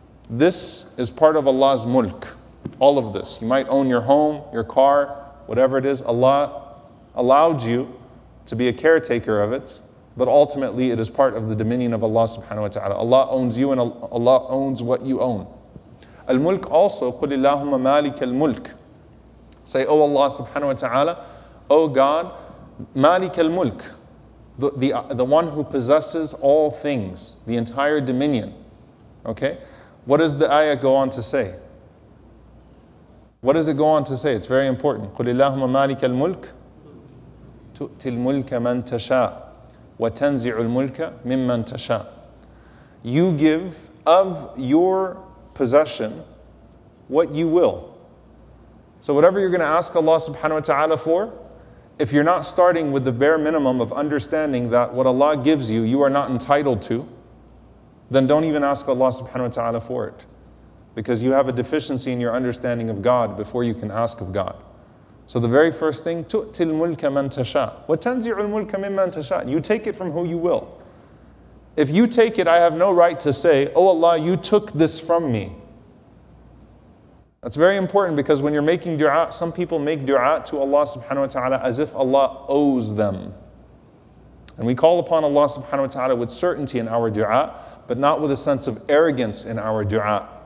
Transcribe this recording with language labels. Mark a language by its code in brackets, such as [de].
[en] This is part of Allah's mulk, all of this. You might own your home, your car, whatever it is. Allah allowed you to be a caretaker of it, but ultimately it is part of the dominion of Allah subhanahu wa ta'ala. Allah owns you and Allah owns what you own. [ar] Al-mulk also, قُلِ اللَّهُمَّ مَالِكَ الْمُلْكِ. [en] Say, O Allah subhanahu wa ta'ala, O God, [ar] مَالِكَ الْمُلْكِ, [en] the one who possesses all things, the entire dominion. Okay? What does the ayah go on to say? What does it go on to say? It's very important. [ar] قُلِ اللَّهُمَّ مَالِكَ الْمُلْكِ تُؤْتِي الْمُلْكَ مَنْ تَشَاءُ وَتَنْزِعُ الْمُلْكَ مِمَّنْ تَشَاءُ. [en] You give of your possession what you will. So whatever you're going to ask Allah subhanahu wa ta'ala for, if you're not starting with the bare minimum of understanding that what Allah gives you, you are not entitled to, then don't even ask Allah subhanahu wa ta'ala for it. Because you have a deficiency in your understanding of God before you can ask of God. So the very first thing, [ar] تُؤْتِي الْمُلْكَ مَنْ تَشَاءُ وَتَنْزِعُ الْمُلْكَ مِمَّنْ تَشَاءُ. [en] You take it from who you will. If you take it, I have no right to say, oh Allah, you took this from me. That's very important because when you're making dua, some people make dua to Allah subhanahu wa ta'ala as if Allah owes them. And we call upon Allah subhanahu wa ta'ala with certainty in our dua, but not with a sense of arrogance in our dua.